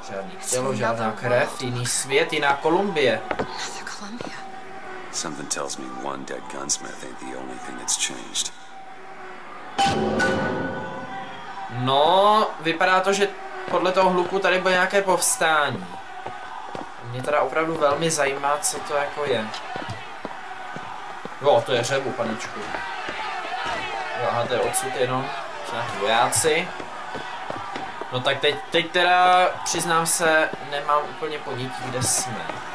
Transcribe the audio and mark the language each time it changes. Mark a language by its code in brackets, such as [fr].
[cs] Žádný tělo, žádná krev, jiný svět, jiná Kolumbie. [en] Something tells me one dead gunsmith ain't the only thing that's changed. [cs] No, vypadá to, že podle toho hluku tady bude nějaké povstání. Mě teda opravdu velmi zajímá, co to jako je. Jo, to je řebu, paničku. Jo, aha, to je odsud jenom. Jsou nějaký vojáci. No tak teď teda, přiznám se, nemám úplně ponětí, kde jsme.